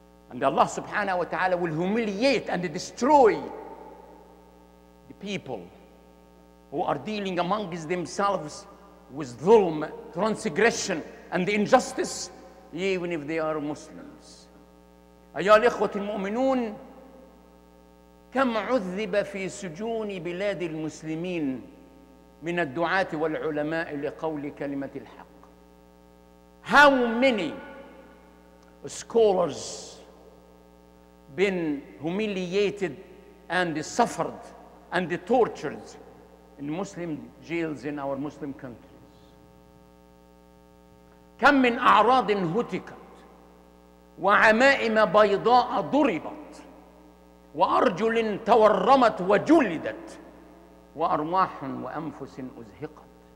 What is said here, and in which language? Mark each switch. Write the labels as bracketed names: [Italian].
[English] And Allah subhanahu wa ta'ala will humiliate and destroy the people who are dealing among themselves with dhulm, transgression, and injustice, even if they are Muslims. [Arabic] أيها الإخوة المؤمنون، كم عذب في سجون بلاد المسلمين من الدعاة والعلماء لقول كلمة الحق. [English] How many scholars been humiliated and suffered and tortured in Muslim jails in our Muslim countries؟ [Arabic] كم من أعراض هتكت وعمائم بيضاء ضربت وأرجل تورمت وجلدت وأرواح وأنفس أزهقت.